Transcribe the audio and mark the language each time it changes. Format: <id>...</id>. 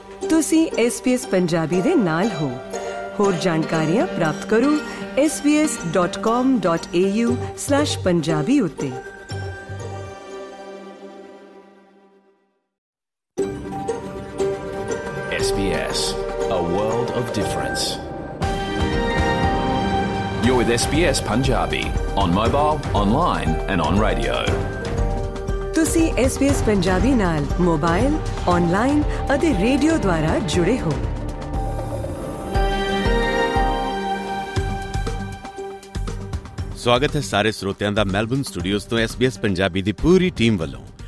<pa>ਤੁਸੀਂ SBS ਪੰਜਾਬੀ ਦੇ ਨਾਲ ਹੋ। ਹੋਰ ਜਾਣਕਾਰੀਆਂ ਪ੍ਰਾਪਤ ਕਰੋ sbs.com.au/punjabi ਉਤੇ।</pa> <en>SBS, a world of difference. You're with SBS Punjabi on mobile, online and on radio.</en> <pa>ਤੁਸੀਂ ਐਸ ਬੀ ਐਸ ਪੰਜਾਬੀ ਨਾਲ ਮੋਬਾਈਲ, ਔਨਲਾਈਨ ਅਤੇ ਰੇਡੀਓ ਦੁਆਰਾ ਜੁੜੇ ਹੋ। ਸਵਾਗਤ ਹੈ ਸਾਰੇ ਸਰੋਤਿਆਂ ਦਾ ਮੈਲਬਨ ਸਟੂਡੀਓਜ਼ ਤੋਂ ਐਸ ਬੀ ਐਸ ਪੰਜਾਬੀ ਦੀ ਪੂਰੀ ਟੀਮ ਵੱਲੋਂ।</pa>